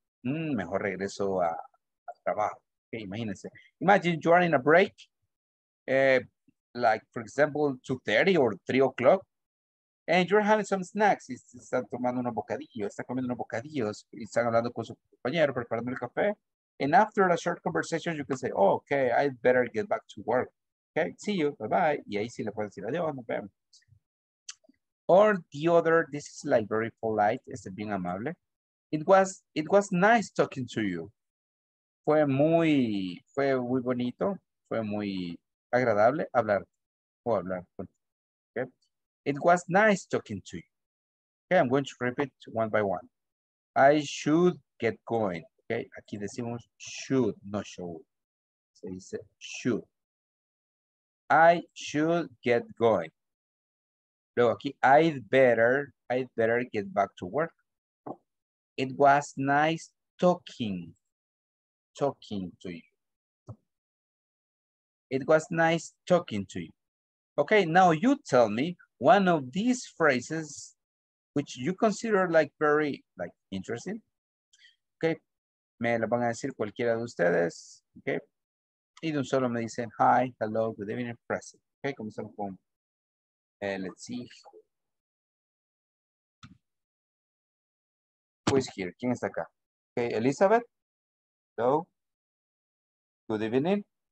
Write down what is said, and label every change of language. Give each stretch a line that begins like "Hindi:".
Spanish: Mejor regreso a trabajo. Okay, imagínense.
English: Imagine you are in a break. Like, for example, 2:30 or 3 o'clock. And you're having some snacks.
Spanish: Y están tomando unos bocadillos. Están comiendo unos bocadillos. Y están hablando con su compañero, preparando el café.
English: And after a short conversation, you can say, oh, okay, I'd better get back to work. Okay, see you. Bye-bye.
Spanish: Y ahí sí le pueden decir adiós. Nos vemos.
English: Or the other, this is like very polite.
Spanish: Este es bien amable.
English: It was nice talking to you.
Spanish: Fue muy bonito, fue muy agradable hablar. Okay.
English: It was nice talking to you. Okay, I'm going to repeat one by one. I should get going. Okay,
Spanish: aquí decimos
English: should, no should.
Spanish: Se dice
English: should. I should get going.
Spanish: Luego aquí
English: I'd better get back to work. It was nice talking to you. It was nice talking to you. Okay, now you tell me one of these phrases which you consider like very, like, interesting.
Spanish: Okay, me lo van a decir cualquiera de ustedes. Okay, y de un solo me dicen
English: hi, hello, good evening, present. Okay,
Spanish: comenzamos con,
English: let's see. Who is here?
Spanish: ¿Quién está acá?
English: Okay, Elizabeth. Hello. Good evening.